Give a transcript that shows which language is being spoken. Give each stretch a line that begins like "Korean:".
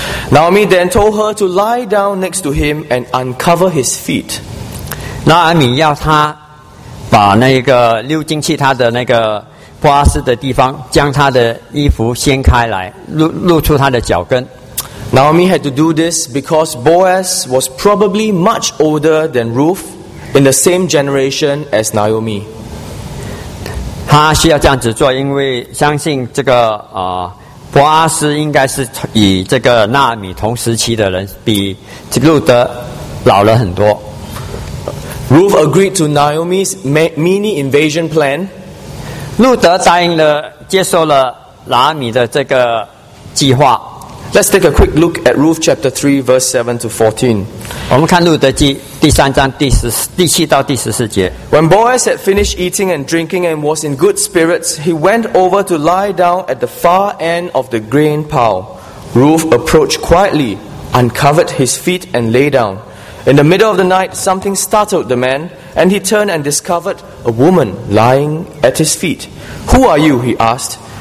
English: Naomi then told her to lie down next to him and uncover his feet.
Chinese: 那阿米要他把那个溜进去他的那个波阿斯的地方，将他的衣服掀开来，露出他的脚跟。
English: Naomi had to do this because Boaz was probably much older than Ruth in the same generation as Naomi.
Chinese: 她需要这样子做，因为相信这个波阿斯应该是与这个纳米同时期的人，比这个路德老了很多。
English: Ruth agreed to Naomi's mini invasion plan.
Chinese: 路德答应了，接受了拿米的这个计划。
English: Let's take a quick look at Ruth chapter 3 verse 7 to 14.
Chinese: 我们看路德记第三章第七到第十四节。
English: When Boaz had finished eating and drinking and was in good spirits, he went over to lie down at the far end of the grain pile. Ruth approached quietly, uncovered his feet and lay down. In the middle of the night, something startled the man, and he turned and discovered a woman lying at his feet. Who are you? He asked.